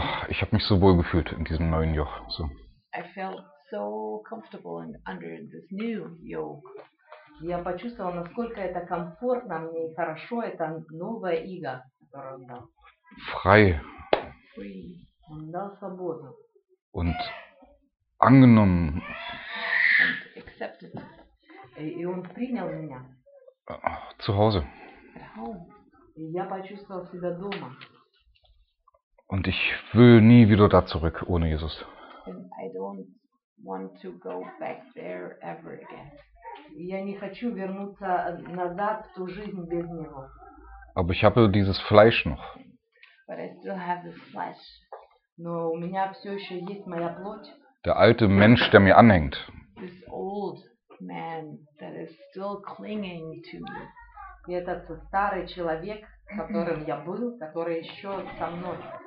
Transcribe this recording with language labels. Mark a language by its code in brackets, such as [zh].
[de] ich habe mich so wohl gefühlt in diesem neuen Joch. So. [en] I felt so comfortable under this new yoke. [ru] Я почувствовал, насколько это комфортно мне и хорошо, это новое иго, которое он дал. [de] Frei. [en] Free. [ru] Он дал свободу. [de] Und angenommen. [en] And accepted. [ru] И он принял меня. [de] Zu Hause. [ru] Я почувствовал себя дома. [de] Und ich will nie wieder da zurück ohne Jesus. [en] And I don't want to go back there ever again. [ru] Я не хочу вернуться назад в ту жизнь без него. [de] Aber ich habe dieses Fleisch noch. [en] But I still have this flesh. [ru] Но у меня все еще есть моя плоть. [de] Der alte Mensch, der mir anhängt. [en] This old man that is still clinging to me. [ru] И этот старый человек, которым я был, который еще со мной.